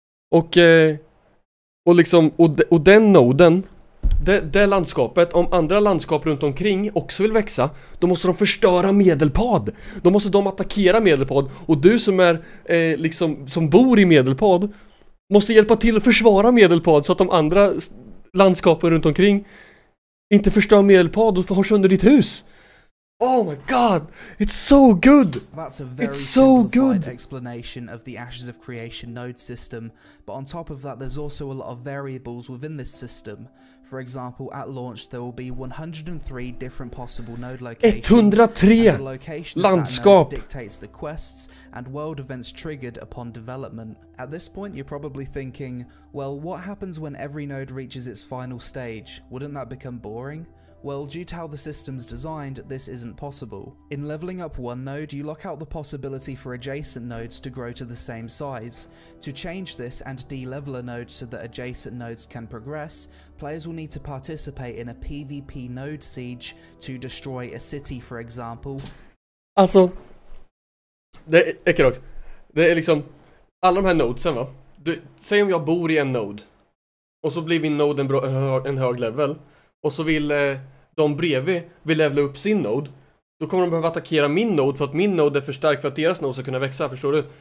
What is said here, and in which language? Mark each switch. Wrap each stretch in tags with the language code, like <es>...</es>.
<sv>Och liksom, och den noden, det landskapet, om andra landskap runt omkring också vill växa, då måste de förstöra Medelpad. Då måste de attackera Medelpad. Och du som är, liksom, som bor i Medelpad, måste hjälpa till att försvara Medelpad så att de andra landskapen runt omkring inte förstör Medelpad och har sönder ditt hus.</sv> <en>Oh my god, it's so good. That's a very simplified explanation of the Ashes of Creation node system, but on top of that there's also a lot of variables within this system. For example, at launch there will be 103 different possible node locations. 103 and the location landskap node dictates the quests and world events triggered upon development. At this point you're probably thinking, well, what happens when every node reaches its final stage? Wouldn't that become boring? Well, due to how the system's designed, this isn't possible. In leveling up one node, you lock out the possibility for adjacent nodes to grow to the same size. To change this and de-level a node so that adjacent nodes can progress, players will need to participate in a PvP node siege to destroy a city, for example.</en> <sv>Alltså, det är Ekerox. Det är liksom, alla de här nodesen va? Du, säg om jag bor i en node, och så blir min node en hög level. Och så vill de bredvid vill levela upp sin node. Då kommer de behöva attackera min node för att min node är för stark för att deras node ska kunna växa, förstår du?</sv>